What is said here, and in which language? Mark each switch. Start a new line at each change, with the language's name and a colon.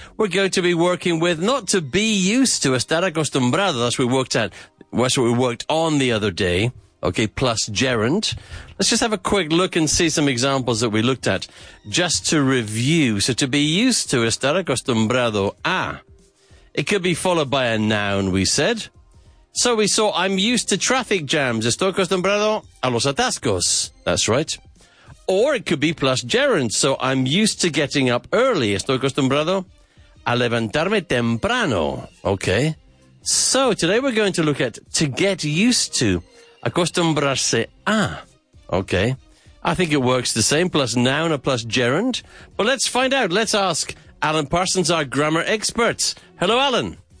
English: We're going to be working with, not to be used to, estar acostumbrado, that's what we worked on the other day, okay, plus gerund. Let's just have a quick look and see some examples that we looked at, just to review. So to be used to, estar acostumbrado a. It could be followed by a noun, we said. So we saw, I'm used to traffic jams.
Spanish: Estoy acostumbrado a los atascos.
English: That's right. Or it could be plus gerund. So I'm used to getting up early.
Spanish: Estoy acostumbrado a levantarme temprano.
English: Okay. So today we're going to look at to get used to. Acostumbrarse a. Okay. I think it works the same. Plus noun or plus gerund. But let's find out. Let's ask Alan Parsons, our grammar expert. Hello, Alan.